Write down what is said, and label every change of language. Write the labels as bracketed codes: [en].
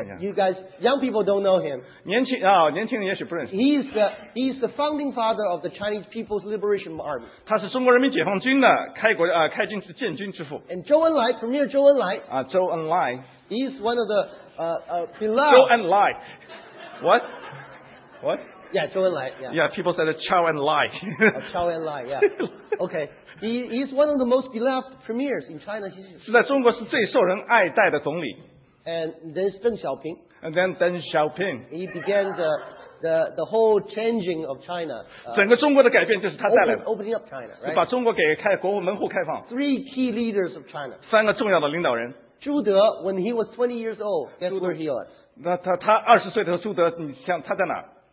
[en] you guys, young people don't know him. [zh] 年轻人也许不认识。 [en] He's the founding father of the Chinese People's Liberation Army. [zh] 他是中国人民解放军的开国开军是建军之父。 [en] And Zhou Enlai, Premier Zhou Enlai. Zhou Enlai. He's one of the beloved. Zhou Enlai. What? What? Yeah, Zhou Enlai. Yeah. Yeah, people said Chow Enlai. Chow Enlai. Yeah. Okay. He's one of the most beloved premiers in China. [zh] 是在中国是最受人爱戴的总理。 [en] And then Deng Xiaoping. And then Deng Xiaoping. He began the whole changing of China. [zh] 整个中国的改变就是他带来的。 [en] Opening up China, right? [zh] 把中国给国门户开放。 [en] Three key leaders of China. [zh] 三个重要的领导人。 [en] 朱德, when he was 20 years old, guess where he was? [zh] 那他20岁的朱德，你想他在哪？